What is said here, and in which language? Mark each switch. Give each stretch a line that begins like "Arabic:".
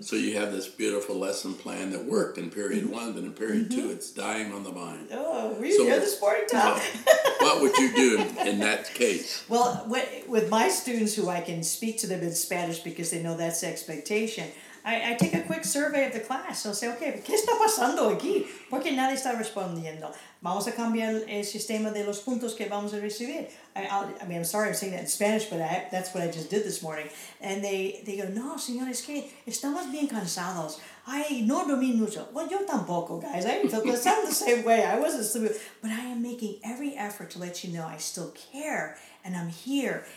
English: So you have this beautiful lesson plan that worked in period one, then in period mm-hmm. two, it's dying on the vine. Oh, really? So you're the sporting top. What would you do in that case? Well, with my students who I can speak to them in Spanish because they know that's the expectation, I take a quick survey of the class. I'll say, okay,
Spanish: ¿qué está pasando aquí? ¿Por qué nadie está respondiendo? Vamos a cambiar el sistema de los puntos que vamos a recibir.
English: I'm sorry I'm saying that in Spanish, but that's what I just did this morning. And they go,
Spanish: no, señores, que estamos bien cansados.
English: I
Spanish: no dormí mucho.
English: Well,
Spanish: yo tampoco,
English: guys. I didn't feel the same, the same way. I wasn't sleeping. But I am making every effort to let you know I still care and I'm here.